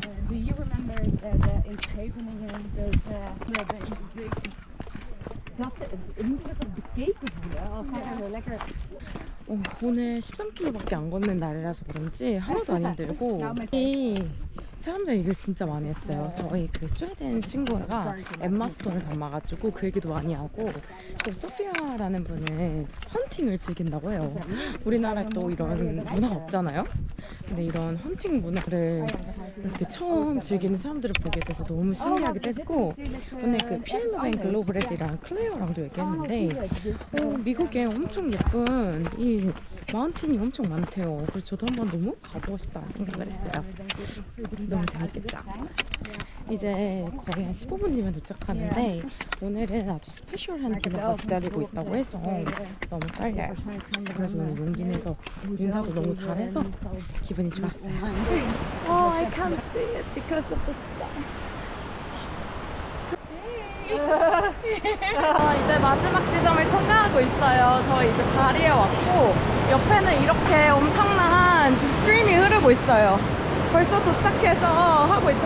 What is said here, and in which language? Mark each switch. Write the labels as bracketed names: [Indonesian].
[English] Do you remember that it's happening in those [Korean] Oh, 오늘 13km밖에 안 걷는 날이라서 그런지 하나도 안 힘들고 사람들 얘기를 진짜 많이 했어요. 저희 그 스웨덴 친구가 엠마스톤을 닮아가지고 그 얘기도 많이 하고 또 소피아라는 분은 헌팅을 즐긴다고 해요. 우리나라에 또 이런 문화가 없잖아요. 근데 이런 헌팅 문화를 이렇게 처음 즐기는 사람들을 보게 돼서 너무 신기하기도 했고 오늘 그 피엘라벤클래식이랑 클레어랑도 얘기했는데 미국에 엄청 예쁜 이 마운틴이 엄청 많대요. 그래서 저도 한번 너무 가보고 싶다 생각을 했어요. 너무 재밌겠죠? 이제 거의 한 15분이면 도착하는데 오늘은 아주 스페셜한 디너가 기다리고 있다고 해서 너무 떨려요. 그래서 오늘 용기 내서 인사도 너무 잘해서 기분이 좋았어요. [English] Oh, I can't see it because of the sun. [Korean] 이제 마지막 지점을 통과하고 있어요. 저희 이제 다리에 왔고 옆에는 이렇게 엄청난 스트림이 흐르고 있어요. 벌써 도착해서 하고 있죠.